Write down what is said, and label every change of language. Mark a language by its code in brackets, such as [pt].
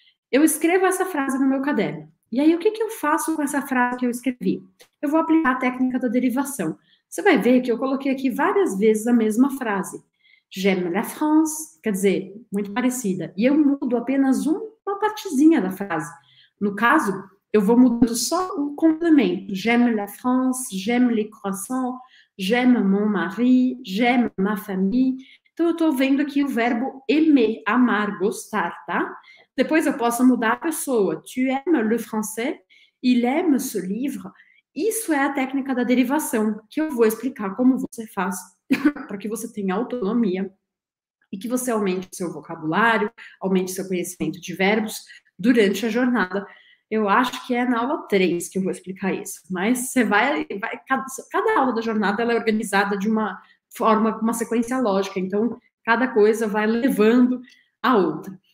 [pt] Eu escrevo essa frase no meu caderno. E aí, o que que eu faço com essa frase que eu escrevi? Eu vou aplicar a técnica da derivação. Você vai ver que eu coloquei aqui várias vezes a mesma frase. [fr] J'aime la France, [pt] quer dizer, muito parecida. E eu mudo apenas uma partezinha da frase. No caso, eu vou mudando só o complemento. [fr] J'aime la France, j'aime les croissants, j'aime mon mari, j'aime ma famille. [pt] Então, eu estou vendo aqui o verbo aimer, amar, gostar, tá? Depois eu posso mudar a pessoa. [fr] Tu aimes le français, il aime ce livre. [pt] Isso é a técnica da derivação, que eu vou explicar como você faz. Para que você tenha autonomia e que você aumente o seu vocabulário, aumente o seu conhecimento de verbos durante a jornada. Eu acho que é na aula 3 que eu vou explicar isso, mas você vai cada aula da jornada ela é organizada de uma forma, uma sequência lógica, então cada coisa vai levando a outra.